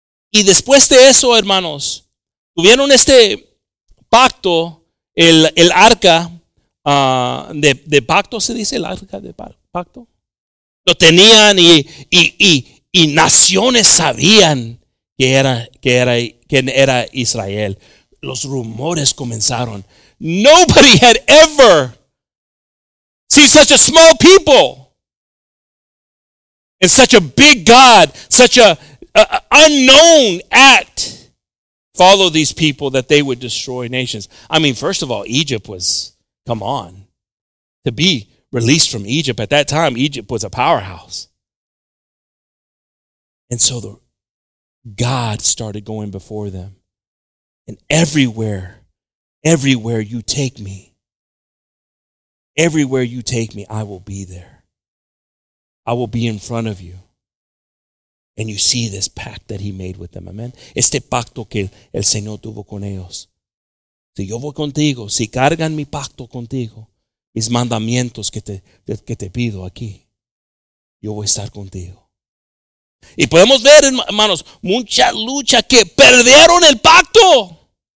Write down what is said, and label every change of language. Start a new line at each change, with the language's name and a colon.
Spanish: Y después de eso, hermanos, tuvieron este pacto, el arca de pacto, ¿se dice el arca de pacto? Lo tenían y naciones sabían quién era Israel. Los rumores comenzaron.
English: Nobody had ever seen such a small people and such a big God, such a unknown act follow these people that they would destroy nations. I mean, first of all, Egypt was, come on, to be released from Egypt at that time, Egypt was a powerhouse. And so the God started going before them, and everywhere you take me, everywhere you take me, I will be there. I will be in front of you. And you see this pact that He made with them. Amen.
Spanish: Este pacto que el Señor tuvo con ellos. Si yo voy contigo, si cargan mi pacto contigo, mis mandamientos que te pido aquí, yo voy a estar contigo. Y podemos ver, hermanos, mucha lucha que perdieron el pacto.